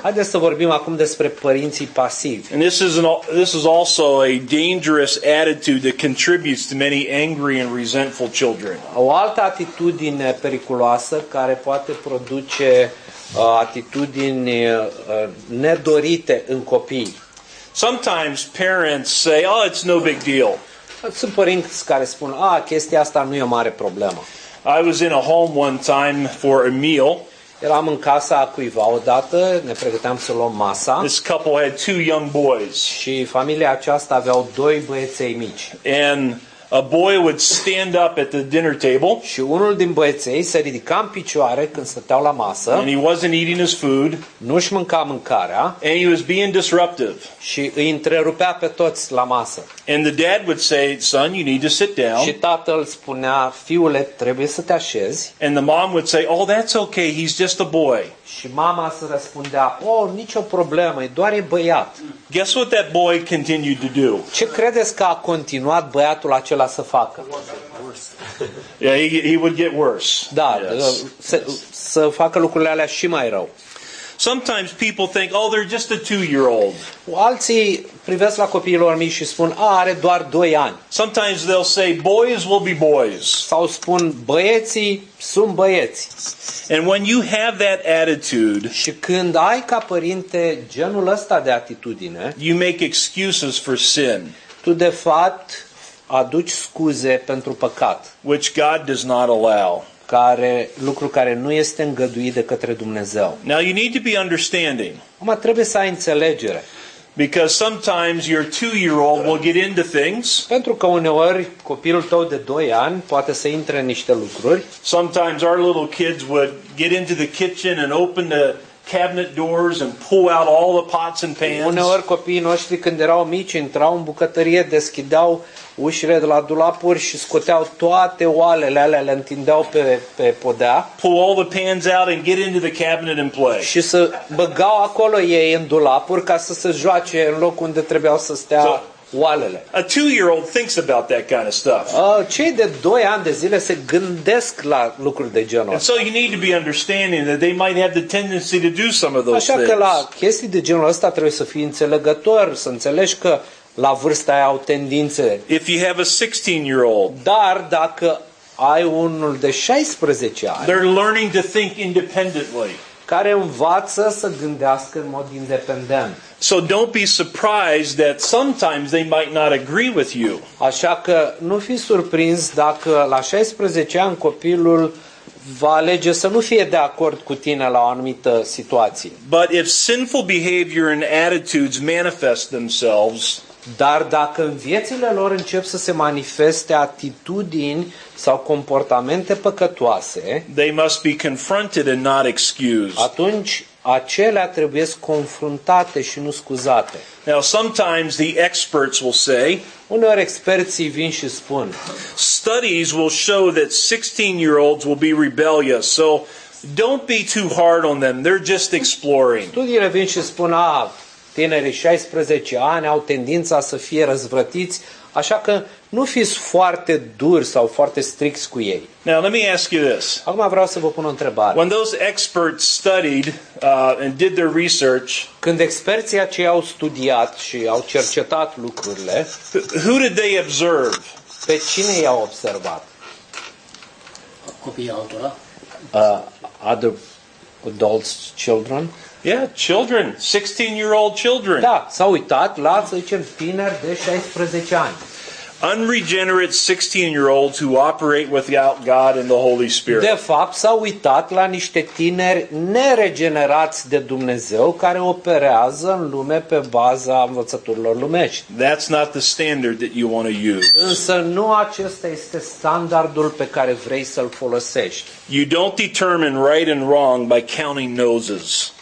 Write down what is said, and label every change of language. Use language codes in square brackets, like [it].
[ro] Haideți să vorbim acum despre părinții pasivi. [en] And this is also a dangerous attitude that contributes to many angry and resentful children. [ro] O altă atitudine periculoasă care poate produce atitudini nedorite în copii. [en] Sometimes parents say, "Oh, it's no big deal." [ro] Sunt părinți care spun, chestia asta nu e o mare problemă. [en] I was in a home one time for a meal. [ro] Eram în casa cuiva odată, ne pregăteam să luăm masa. [en] This couple had two young boys. [ro] Și familia aceasta aveau doi băieței mici. [en] And a boy would stand up at the dinner table. [ro] Și unul din băieței se ridica în picioare când stăteau la masă. [en] And he wasn't eating his food. [ro] Nu-și mânca mâncarea. [en] And he was being disruptive. [ro] Și îi întrerupea pe toți la masă. [en] And the dad would say, "Son, you need to sit down." [ro] Și tatăl spunea, fiule, trebuie să te așezi. [en] And the mom would say, "Oh, that's okay, he's just a boy." [ro] Și mama se răspundea, "Oh, nicio problemă, doar e băiat." [en] Guess what that boy continued to do? [ro] Ce credeți că a continuat băiatul acela să facă? [en] Yeah, he would get worse. [ro] Da, yes. Să facă lucrurile alea și mai rău. [en] Sometimes people think, "Oh, they're just a 2-year-old." [ro] Alții privesc la copiilor mici și spun, are doar 2 ani. [en] Sometimes they'll say, "Boys will be boys." [ro] Sau spun, băieții sunt băieți. [en] And when you have that attitude, [ro] și când ai ca părinte genul ăsta de atitudine, [en] you make excuses for sin. [ro] Tu de fapt aduci scuze pentru păcat, [en] which God does not allow. [ro] Care lucru care nu este îngăduit de către Dumnezeu. [en] Now you need to be understanding. [ro] Acum trebuie să ai înțelegere. [en] Because sometimes your 2-year-old will get into things. [ro] Pentru că uneori copilul tău de 2 ani poate să intre în niște lucruri. [en] Sometimes our little kids would get into the kitchen and open the cabinet doors and pull out all the pots and pans. [ro] Uneori copiii noștri când erau mici intrau în bucătărie, deschideau ușile de la dulapuri și scoteau toate oalele alea, le întindeau pe podea. [en] Pull all the pans out and get into the cabinet and play. [ro] Și se băgau acolo ei în dulapuri ca să se joace în locul unde trebuiau să stea oalele. [en] A 2-year-old thinks about that kind of stuff. [ro] Cei de 2 ani de zile se gândesc la lucruri de genul ăsta. [en] So you need to be understanding that they might have the tendency to do some of those [ro] things. Așa că la chestii de genul ăsta trebuie să fii înțelegător, să înțelegi că la vârsta aia au tendințe. [en] If you have a 16-year-old, [ro] dar dacă ai unul de 16 ani, [en] they're learning to think independently. [ro] Care învață să gândească în mod independent. [en] So don't be surprised that sometimes they might not agree with you. [ro] Așa că nu fi surprins dacă la 16 ani copilul va alege să nu fie de acord cu tine la o anumită situație. [en] But if sinful behavior and attitudes manifest themselves, [ro] dar dacă în viețile lor încep să se manifeste atitudini sau comportamente păcătoase, [en] they must be confronted and not excused. [ro] Atunci acelea trebuie confruntate și nu scuzate. [en] Now sometimes the experts will say, [ro] uneori experții vin și spun, [en] studies will show that 16-year-olds will be rebellious. So don't be too hard on them. They're just exploring. [ro] Studiile vin și spun, tineri 16 ani au tendința să fie răzvrătiți, așa că nu fiți foarte duri sau foarte stricți cu ei. [en] Now, let me ask you this. [ro] Acum vreau să vă pun o întrebare. [en] When those experts studied and did their research, [ro] când experții aceia au studiat și au cercetat lucrurile, [en] who did they observe? [ro] Pe cine i-au observat? Copiii altora. [en] Other adults, children. Yeah, children, 16-year-old children. [ro] Da, s-au uitat la, să zicem, tineri de 16 ani. [en] Unregenerate 16-year-olds who operate without God and the Holy Spirit. [ro] De fapt, s-au uitat la niște tineri neregenerați de Dumnezeu care operează în lume pe baza învățăturilor lumești. [en] That's not the standard that you want to use. [ro] Însă nu acesta este standardul pe care vrei să-l folosești. [en] You don't determine right and wrong by counting noses.